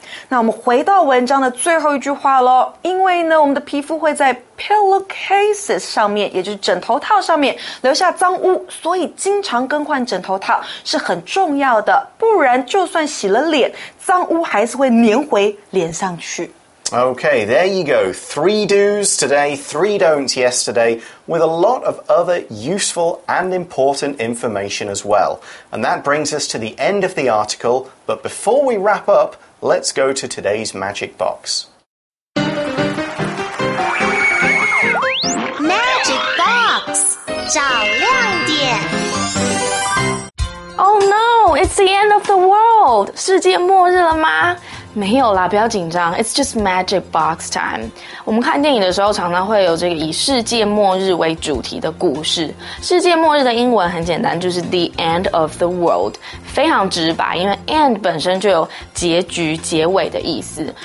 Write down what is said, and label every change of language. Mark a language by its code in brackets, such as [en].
[zh] 那我们回到文章的最后一句话咯，因为呢我们的皮肤会在 pillowcases 上面，也就是枕头套上面留下脏污，所以经常更换枕头套是很重要的，不然就算洗了脸，脏污还是会粘回脸上去。 [en] Okay, there you go. Three do's today, three don'ts yesterday, with a lot of other useful and important information as well. And that brings us to the end of the article. But before we wrap up, let's go to today's magic box. Magic box! [zh] 找亮点 [en] ！Oh no, it's the end of the world! [zh] 世界末日了吗？没有啦，不要紧张。 [en] It's just magic box time. [zh] 我们看电影的时候常常会有这个以世界末日为主题的故事。世界末日的英文很简单，就是 [en] the end of the world. [zh] 非常直白，因为 end 本身就有结局、结尾的意思。